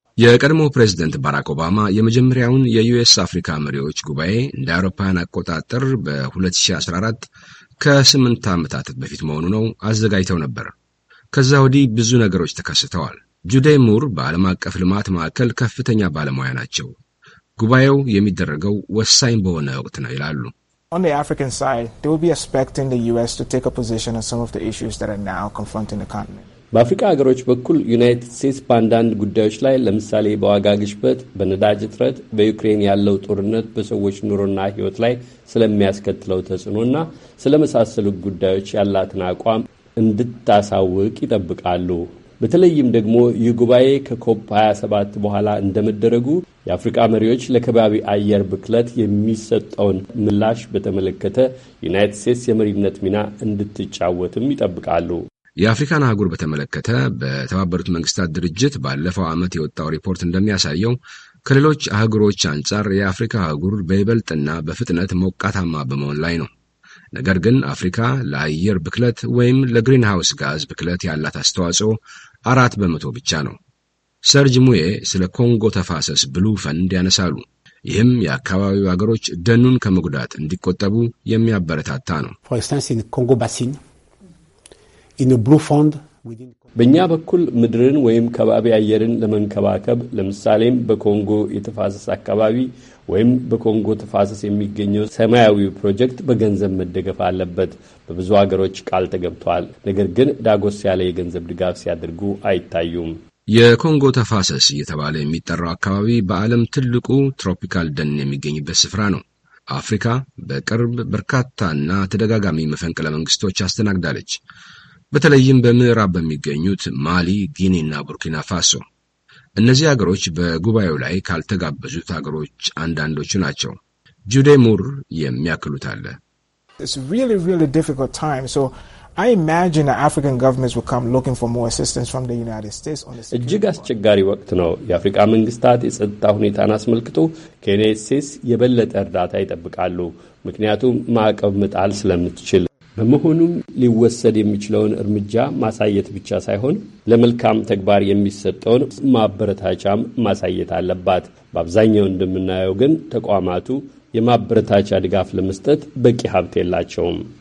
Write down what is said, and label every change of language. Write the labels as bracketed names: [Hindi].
[Amharic] የቀድሞ ፕሬዚደንት ባራክ ኦባማ የመጀመሪያውን የዩኤስ አፍሪካ መሪዎች ጉባኤ እንደ አውሮፓውያን አቆጣጠር በ2014 ከ8 ዓመታት በፊት መሆኑ ነው አዘጋጅተው ነበር። ከዛ ወዲህ ብዙ ነገሮች ተከስተዋል። ጁዴ ሙር በዓለም አቀፍ ልማት ማዕከል ከፍተኛ ባለሙያ ናቸው። ጉባኤው የሚደረገው ወሳኝ በሆነ ወቅት ነው ይላሉ። [English] On the African side, they will be expecting the US to take a position on some of the issues that are now confronting the continent. [Amharic] በአፍሪካ ሀገሮች በኩል ዩናይትድ ስቴትስ ባንዳንድ ጉዳዮች ላይ ለምሳሌ በዋጋ ግሽበት፣ በነዳጅ እጥረት፣ በዩክሬን ያለው ጦርነት በሰዎች ኑሮና ሕይወት ላይ ስለሚያስከትለው ተጽዕኖና ስለመሳሰሉት ጉዳዮች ያላትን አቋም እንድታሳውቅ ይጠብቃሉ። በተለይም ደግሞ የጉባኤ ከኮፕ 27 በኋላ እንደመደረጉ የአፍሪካ መሪዎች ለከባቢ አየር ብክለት የሚሰጠውን ምላሽ በተመለከተ ዩናይትድ ስቴትስ የመሪነት ሚና እንድትጫወትም ይጠብቃሉ። የአፍሪካን አህጉር በተመለከተ በተባበሩት መንግስታት ድርጅት ባለፈው ዓመት የወጣው ሪፖርት እንደሚያሳየው ከሌሎች አህጉሮች አንጻር የአፍሪካ አህጉር በይበልጥና በፍጥነት ሞቃታማ በመሆን ላይ ነው። ነገር ግን አፍሪካ ለአየር ብክለት ወይም ለግሪን ሃውስ ጋዝ ብክለት ያላት አስተዋጽኦ 4% ብቻ ነው። ሰርጅ ሙዬ ስለ ኮንጎ ተፋሰስ ብሉ ፈንድ ያነሳሉ። ይህም የአካባቢው አገሮች ደኑን ከመጉዳት እንዲቆጠቡ የሚያበረታታ ነው። [English] For instance, in Congo Basin, in the Blue Fund, [Amharic] በእኛ በኩል ምድርን ወይም ከባቢ አየርን ለመንከባከብ ለምሳሌም በኮንጎ የተፋሰስ አካባቢ ወይም በኮንጎ ተፋሰስ የሚገኘው ሰማያዊ ፕሮጀክት በገንዘብ መደገፍ አለበት በብዙ አገሮች ቃል ተገብቷል። ነገር ግን ዳጎስ ያለ የገንዘብ ድጋፍ ሲያድርጉ አይታዩም። የኮንጎ ተፋሰስ እየተባለ የሚጠራው አካባቢ በዓለም ትልቁ ትሮፒካል ደን የሚገኝበት ስፍራ ነው። አፍሪካ በቅርብ በርካታና ተደጋጋሚ መፈንቅለ መንግስቶች አስተናግዳለች። በተለይም በምዕራብ በሚገኙት ማሊ፣ ጊኒ እና ቡርኪና ፋሶ። እነዚህ አገሮች በጉባኤው ላይ ካልተጋበዙት አገሮች አንዳንዶቹ ናቸው። ጁዴ ሙር የሚያክሉት አለ። [English] It's really, really difficult time. So I imagine that African governments will come looking for more assistance from the United States on this. [Amharic] እጅግ አስቸጋሪ ወቅት ነው። የአፍሪካ መንግስታት የጸጥታ ሁኔታን አስመልክቶ ከዩናይትድ ስቴትስ የበለጠ እርዳታ ይጠብቃሉ። ምክንያቱም ማዕቀብ መጣል ስለምትችል በመሆኑም ሊወሰድ የሚችለውን እርምጃ ማሳየት ብቻ ሳይሆን ለመልካም ተግባር የሚሰጠውን ማበረታቻም ማሳየት አለባት። በአብዛኛው እንደምናየው ግን ተቋማቱ የማበረታቻ ድጋፍ ለመስጠት በቂ ሀብት የላቸውም።